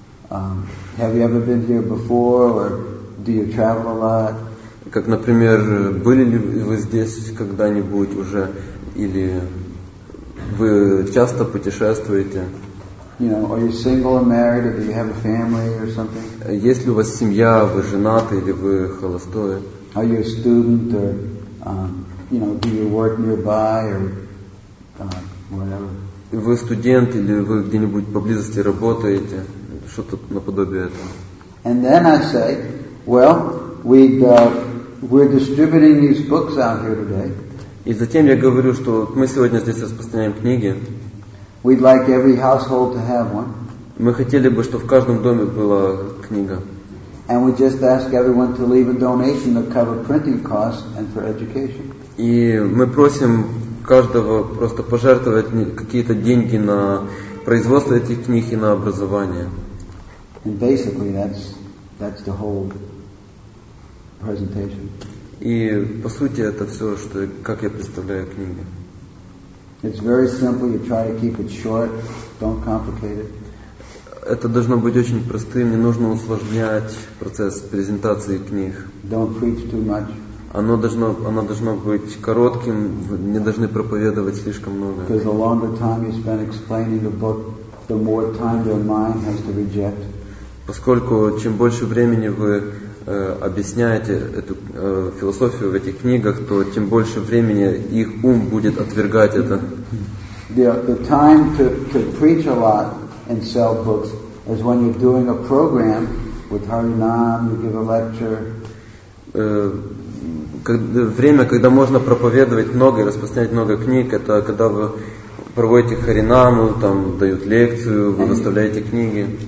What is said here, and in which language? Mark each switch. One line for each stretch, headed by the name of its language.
English: Have you ever been here before, or do you travel a lot?
Russian: Как, например, были ли вы здесь когда-нибудь уже, или вы часто путешествуете?
English: You know, are you single or married, or do you have a family or something?
Russian: Есть ли у вас семья, вы женаты или вы холостой?
English: Are you a student, or you know, do you work nearby, or whatever?
Russian: Вы студент или вы где-нибудь поблизости работаете? Что-то наподобие этого.
English: And then I say, well, we're distributing these books out here today.
Russian: И затем я говорю, что мы сегодня здесь распространяем книги.
English: We'd like every household to have one.
Russian: Мы хотели бы, чтобы в каждом доме была книга.
English: And we just ask everyone to leave a donation to cover printing costs and for education.
Russian: И мы просим каждого просто пожертвовать какие-то деньги на производство этих книг и на образование.
English: And basically that's the whole presentation.
Russian: И по сути это все, что как я представляю книги.
English: It's very simple. You try to keep it short. Don't complicate it.
Russian: Это должно быть очень простым. Не нужно усложнять процесс презентации книг.
English: Don't preach too much.
Russian: Оно должно быть коротким. Не должны проповедовать слишком много.
English: Because the longer time you spend explaining the book, the more time your mind has to reject.
Russian: Поскольку чем больше времени вы объясняете эту философию в этих книгах, то тем больше времени их ум будет отвергать это.
English: The time to preach a lot and sell books is when you're doing a program with Harinam, you give a lecture.
Russian: Время, когда можно проповедовать много и распространять много книг, это когда вы проводите харинаму, там дают лекцию, вы выставляете книги.